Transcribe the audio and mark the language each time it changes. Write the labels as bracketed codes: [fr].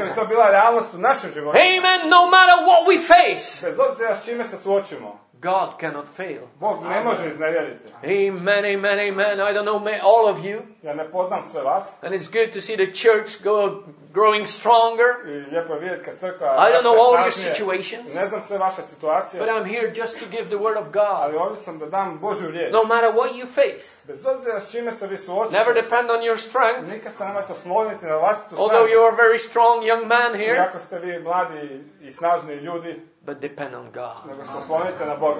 [hr] Nekad to bila realnost u našem životu. [en] Amen. No matter what we face. [hr] Bez obzira s čime se suočimo. [en] God cannot fail. [hr] Bog ne može iznevjeriti. [en] Amen, amen, amen. I don't know all of you. [hr] Ja ne poznam sve vas. [en] And it's good to see the church go growing stronger. [hr] Lijepo je vidjeti kad crkva raste. [en] I don't know all your situations. [hr] Ne znam sve vaše situacije. [en] But I'm here just to give the word of God. [hr] Ali ovdje sam da dam Božju riječ. [en] No matter what you face. [hr] Bez obzira s čime se vi suočite. [en] Never depend on your strength. [hr] Nikad se nemojte osloniti na vlastitu snagu. [en] Although you are a very strong young man here. [hr] Iako ste vi mladi i snažni ljudi. [en] But depend on God. [hr] Nego se oslonite na Boga.